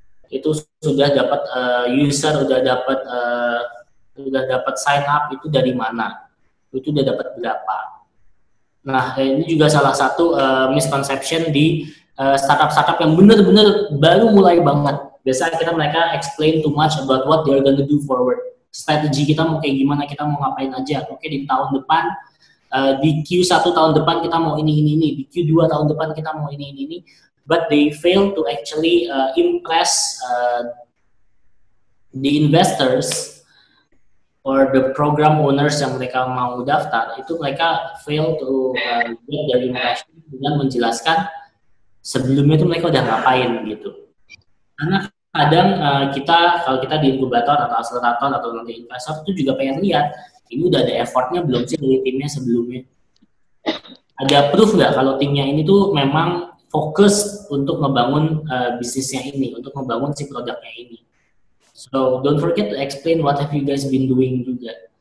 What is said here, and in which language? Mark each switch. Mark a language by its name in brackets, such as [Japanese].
[Indonesian] Itu sudah dapat user, sudah dapat sign up itu dari mana, itu sudah dapat berapa. Nah, ini juga salah satu misconception di startup-startup yang benar-benar baru mulai banget. Biasanya kita mereka [English] explain too much about what they are going to do forward. [Indonesian] Strategi kita mau kayak gimana, kita mau ngapain aja. Oke, di tahun depan, di Q1 tahun depan kita mau ini, di Q2 tahun depan kita mau ini. [English] But they fail to actually impress the investors or the program owners [Indonesian] yang mereka mau daftar. Itu mereka [English] fail to get their impression [Indonesian] dengan menjelaskan sebelumnya itu mereka udah ngapain gitu. Karena kadang kita, kalau kita di inkubator atau accelerator atau nanti investor itu juga pengen lihat ini udah ada effortnya belum sih dari timnya sebelumnya. Ada proof nggak kalau timnya ini tuh memang fokus untuk ngebangun bisnisnya ini, untuk ngebangun si produknya ini. [English] So, don't forget to explain what have you guys been doing juga.